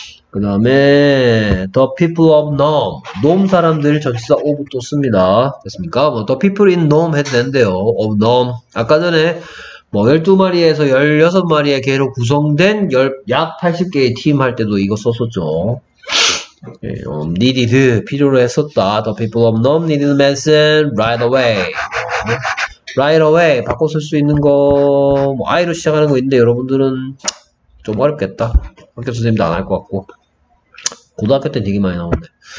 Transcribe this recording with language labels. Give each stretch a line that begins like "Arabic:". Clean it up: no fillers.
Korean: 그 다음에
English: the people of Nome.
Korean: Nome 사람들 전치사 of도 씁니다. 됐습니까? 뭐
English: the people in Nome
Korean: 해도 되는데요.
English: of Nome.
Korean: 아까 전에 뭐 12마리에서 16마리의 개로 구성된 약 80개의 팀 할 때도 이거 썼었죠. 예, needed, 필요로 했었다.
English: The people of Nome needed medicine right away. Right away.
Korean: 바꿔 쓸 수 있는 거, 뭐, I로 시작하는 거 있는데, 여러분들은 좀 어렵겠다. 학교 선생님도 안 할 것 같고. 고등학교 때 되게 많이 나오는데.